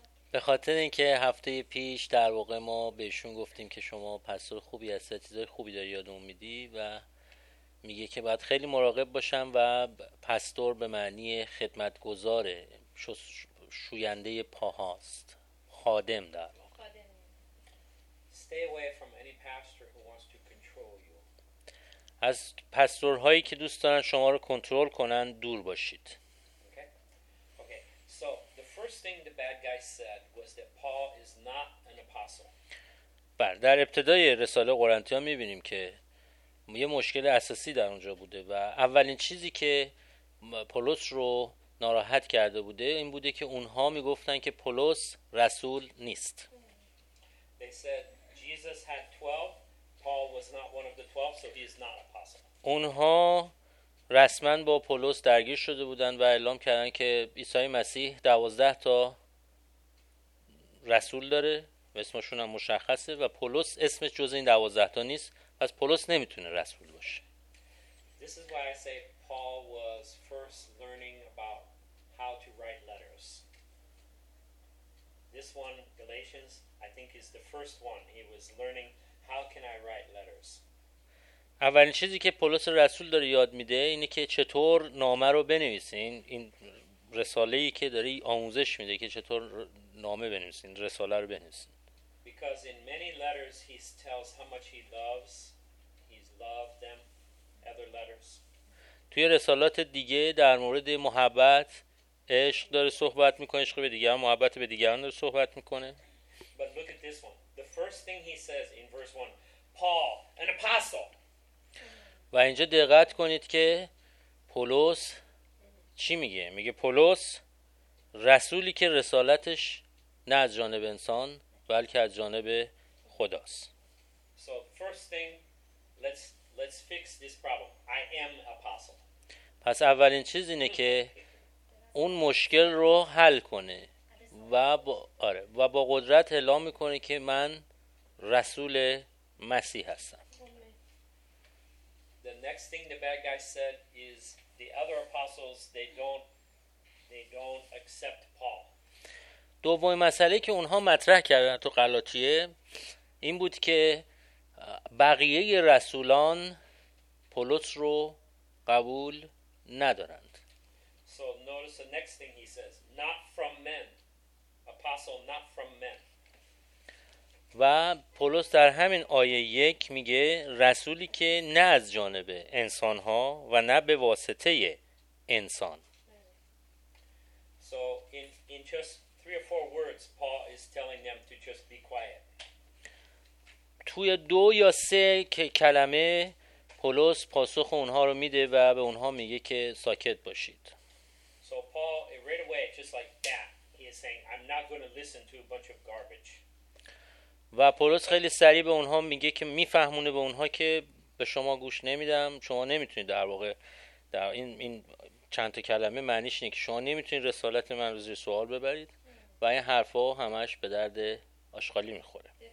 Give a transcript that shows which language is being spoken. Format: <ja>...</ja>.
<fa>به خاطر اینکه هفته پیش در واقع ما بهشون گفتیم که شما پستور خوبی هستید، چیزای خوبی داری یادمون میدی و میگه که باید خیلی مراقب باشم و پستور به معنی خدمتگزاره، شوینده پاهاست، خادم در واقع.</fa> <en>Stay away from any pastor who wants to control you.</en> <fa>از پستورهایی که دوست دارن شما رو کنترل کنن دور باشید.</fa> <en>Okay. So first thing the bad guy said was that Paul is not an apostle.</en> <fa>بر در ابتدای رساله قرنتیان می‌بینیم که یه مشکل اساسی در اونجا بوده و اولین چیزی که پولس رو ناراحت کرده بوده این بوده که اونها می‌گفتن که پولس رسول نیست.</fa> <en>They said Jesus had 12, Paul was not one of the 12, so he is not an apostle.</en> <fa>اونها رسما با پولس درگیر شده بودند و اعلام کردند که عیسی مسیح 12 تا رسول داره و اسمشون هم مشخصه و پولس اسمش جز این 12 تا نیست، پس پولس نمیتونه رسول باشه.</fa> <en>This is why I say Paul was first learning about how to write letters. This one, Galatians, I think is the first one. He was learning how can I write letters.</en> <fa>اولین چیزی که پولس رسول داره یاد میده اینه که چطور نامه رو بنویسین، این رساله ای که داره آموزش میده که چطور نامه بنویسین، رساله رو بنویسین.</fa> <en>Because in many letters he tells how much he loves. He's loved them. Other letters.</en> <fa>توی رسالات دیگه در مورد محبت، عشق داره صحبت میکنه، عشق به دیگران، محبت به دیگران داره صحبت میکنه.</fa> <en>But look at this one. The first thing he says in verse 1, Paul, an apostle.</en> <fa>و اینجا دقت کنید که پولس چی میگه؟ میگه پولس رسولی که رسالتش نه از جانب انسان بلکه از جانب خداست.</fa> <en>So first thing, let's fix this problem. I am apostle.</en> <fa>پس اولین چیز اینه که اون مشکل رو حل کنه و با قدرت اعلام میکنه که من رسول مسیح هستم.</fa> <en>The next thing the bad guy said is the other apostles they don't accept Paul.</en> <fa>دومی مسئله که اونها مطرح کردن تو غلاطیه این بود که بقیه رسولان پولس رو قبول ندارند.</fa> <en>So notice the next thing he says, not from men. Apostle, not from men.</en> <fa>و پولس در همین آیه 1 میگه رسولی که نه از جانب انسان ها و نه به واسطه انسان.</fa> <en>So in just 3 or 4 words Paul is telling them to just be quiet.</en> <fa>توی 2 یا 3 کلمه پولس پاسخ اونها رو میده و به اونها میگه که ساکت باشید.</fa> <en>So Paul right away just like that he is saying I'm not going to listen to a bunch of garbage.</en> <fa>و پولس خیلی سریع به اونها میگه که میفهمونه به اونها که به شما گوش نمیدم، شما نمیتونید در واقع در این چند تا کلمه معنیش اینه که شما نمیتونید رسالت من رو زیر سوال ببرید و این حرفا همش به درد آشغالی میخوره.</fa>